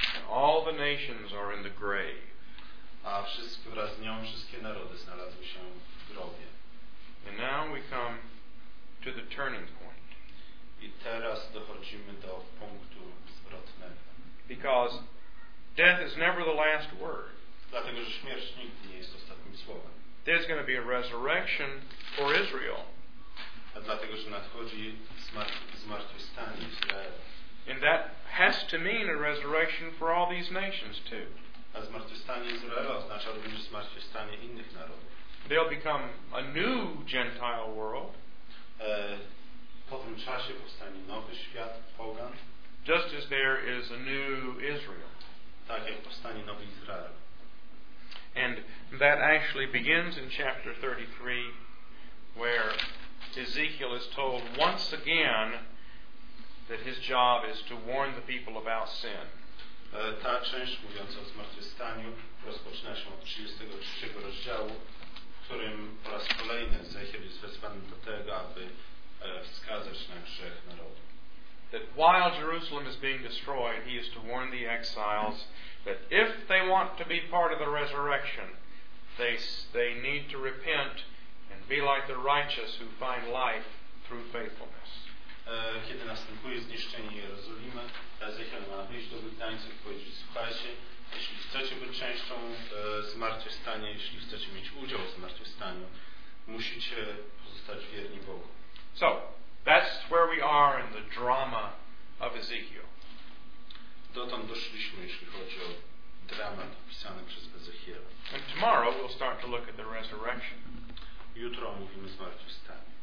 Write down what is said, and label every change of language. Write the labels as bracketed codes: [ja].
[en] All the nations are in the grave. [pl] A wszystkie, wraz z nią wszystkie narody znalazły się w grobie. [en] And now we come to the turning point. [pl] I teraz dochodzimy do punktu zwrotnego. [en] Because death is never the last word. [pl] Dlatego, że śmierć nigdy nie jest ostatnim słowem. [en] There's going to be a resurrection for Israel. [pl] A dlatego, że nadchodzi zmartwychwstanie Izraela. [en] And that has to mean a resurrection for all these nations too. [pl] A zmartwychwstanie Izraela oznacza również zmartwychwstanie innych narodów. [en] They'll become a new Gentile world. [pl] Po tym czasie powstanie nowy świat pogan. [en] Just as there is a new Israel. [pl] Tak jak powstanie nowy Izrael. [en] And that actually begins in chapter 33, where Ezekiel is told once again that his job is to warn the people about sin. [pl] Ta część mówiąca o zmartwychwstaniu rozpoczyna się od 33 rozdziału, w którym po raz kolejny Ezechiel jest wezwany do tego, aby wskazać na grzech narodu. [en] That while Jerusalem is being destroyed, he is to warn the exiles that if they want to be part of the resurrection, they need to repent and be like the righteous who find life through faithfulness. [pl] Kiedy następuje zniszczenie Jerozolimy, Ezechiel ma wyjść do wygnańców i powiedzieć: słuchajcie, jeśli chcecie być częścią zmartwychwstania, jeśli chcecie mieć udział w zmartwychwstaniu, musicie pozostać wierni Bogu. [en] So, that's where we are in the drama of Ezekiel. [pl] Dotąd doszliśmy, jeśli chodzi o dramat opisany przez Ezechiela. [en] And tomorrow we'll start to look at the resurrection. [pl] Jutro mówimy o zmartwychwstaniu.